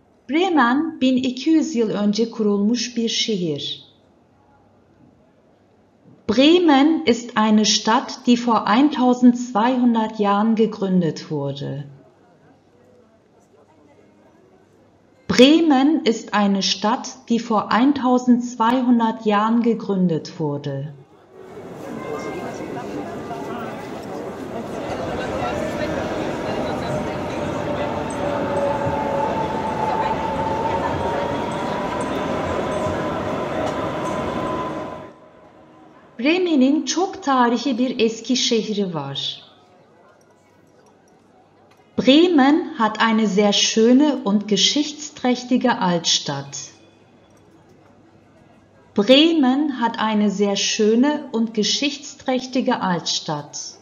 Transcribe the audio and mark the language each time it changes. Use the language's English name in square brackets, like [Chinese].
[Turkish] Bremen 1200 yıl önce kurulmuş bir şehir. [German] Bremen ist eine Stadt, die vor 1200 Jahren gegründet wurde. Bremen ist eine Stadt, die vor 1200 Jahren gegründet wurde. [Turkish] Bremen'in çok tarihi bir eski şehri var. [German] Bremen hat eine sehr schöne und geschichtsträchtige Altstadt. Bremen hat eine sehr schöne und geschichtsträchtige Altstadt.